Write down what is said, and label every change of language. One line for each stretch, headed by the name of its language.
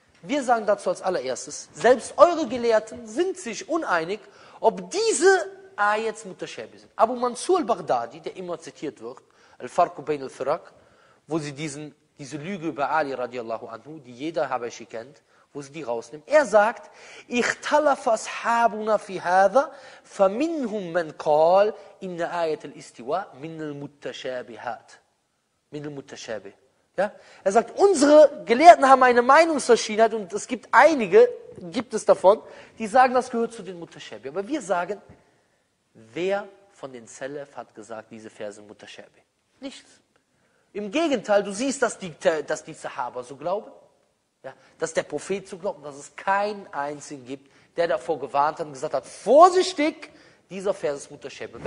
German: Wir sagen dazu als allererstes, selbst eure Gelehrten sind sich uneinig, ob diese Ayats Mutaschäbi sind. Abu Mansur al-Baghdadi, der immer zitiert wird, Al-Farku Bain al-Firak, wo sie diese Lüge über Ali radiallahu anhu, die jeder Habashi kennt, wo sie die rausnimmt.
Arabic: Er sagt, اختلف أصحابنا في هذا فمنهم من قال إن آية الاستواء من المتشابهات. من المتشابه. Ja?
German: Er sagt, unsere Gelehrten haben eine Meinungsverschiedenheit und es gibt einige, gibt es davon, die sagen, das gehört zu den Mutaschäbi. Aber wir sagen, wer von den Salaf hat gesagt, diese Verse sind Mutaschäbi? Nichts. Im Gegenteil, du siehst, dass die Sahaba so glauben, ja, dass der Prophet so glaubt, dass es keinen einzigen gibt, der davor gewarnt hat und gesagt hat, vorsichtig, dieser Vers ist Mutaschäbi.